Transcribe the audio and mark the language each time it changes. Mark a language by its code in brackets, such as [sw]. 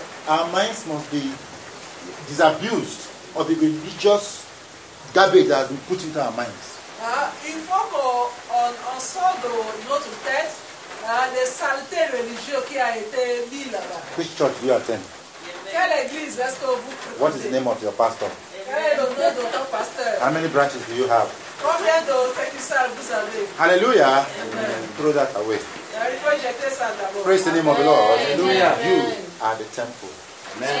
[en] our minds must be disabused of the religious garbage that has been put into our minds. [fr] Il faut qu'on sorte de notre tête les saletés religieuses qui a été mis là-bas. [en] Which church do you attend? [fr] Quelle église est-ce que vous [en] prenez? What is the name of your pastor? [fr] Quel est le nom de ton pasteur? [en] How many branches do you have? [fr] Combien de sacristales vous avez? [en] Hallelujah. Amen. Throw that away. [fr] Il faut jeter ça d'abord. [en] Praise the name of the Lord. Hallelujah. You are the temple. Amen.